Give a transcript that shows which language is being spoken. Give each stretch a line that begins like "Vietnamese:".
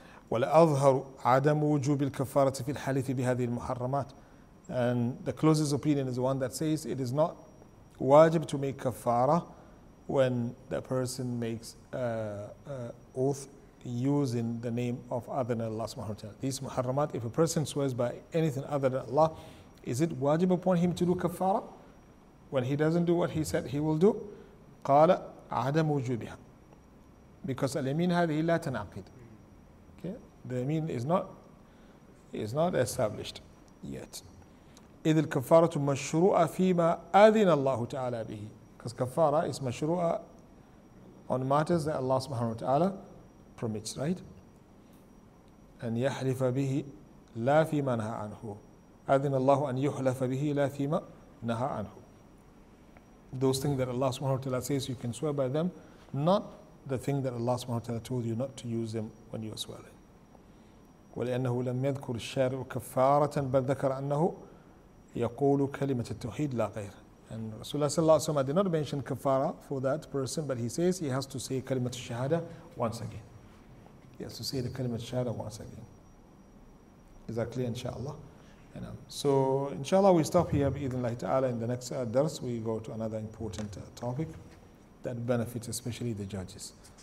Arabic: ولأظهر عدم وجوب الكفارة في الحلف بهذه المحرمات.
English: And the closest opinion is the one that says it is not wajib to make kafara when the person makes oath using the name of other than Allah subhanahu wa ta'ala. These muharramat, if a person swears by anything other than Allah, is it wajib upon him to do kafara when he doesn't do what he said he will do?
Arabic: قال عدم وجوبها.
English: Because al-yamin
Arabic: هذه لا تنعقد.
English: Okay? The yamin is not established yet.
Arabic: إذ الكفارة مشروعة فيما أذن الله تعالى به.
English: Because kafara is مشروعة on matters that Allah subhanahu wa ta'ala permits, right?
Arabic: أن يحلف به لا فيما نهى عنه. أذن الله أن يحلف به لا فيما نهى عنه.
English: Those things that Allah subhanahu wa ta'ala says you can swear by them, not the thing that Allah subhanahu wa ta'ala told you not to use them when you are swearing.
Arabic: ولأنه لم يذكر الشارع كفارة بل ذكر أنه يقول كلمة التوحيد لا غير.
English: And Rasulullah صلى الله عليه وسلم did not mention kafara for that person, but he says he has to say كلمة الشهادة once again. He has to say the kalimat shahada once again. Is that clear, inshallah? So, inshallah, we stop here, bi-idhnillahi ta'ala. In the next dars, we go to another important topic that benefits especially the judges.